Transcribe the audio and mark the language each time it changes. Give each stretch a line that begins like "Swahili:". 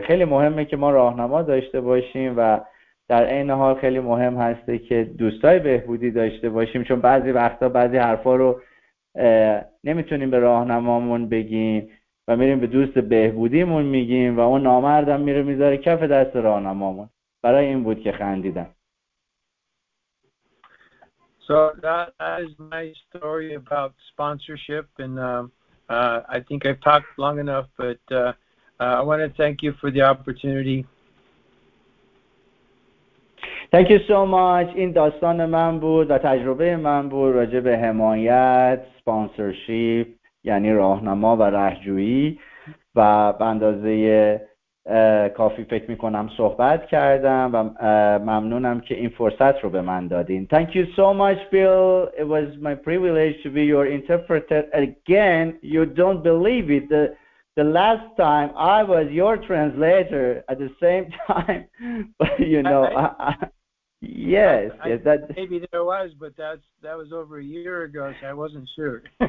Persian: خیلی مهمه که ما راهنما داشته باشیم و در این حال خیلی مهم هسته که دوستای بهبودی داشته باشیم، چون بعضی وقتا بعضی حرفا رو نمیتونیم به راهنمامون بگیم و میریم به دوست بهبودیمون میگیم و اون نامردم میره میذاره کف دست راهنمامون. برای این بود که خندیدم.
English: So that is my story about sponsorship, and I think I've talked long enough, but I want to thank you for the opportunity. Thank you so much.
Persian: این داستان من بود و تجربه من بود راجع به حمایت، sponsorship، یعنی راهنما و راهجویی، و به اندازه کافی فکر میکنم صحبت کردم و ممنونم که این فرصت رو به من دادین.
English: Thank you so much, Bill. It was my privilege to be your interpreter again. You don't believe it. The last time I was your translator at the same time. You know, yes, that maybe there was, but that was over a year ago, so I wasn't sure.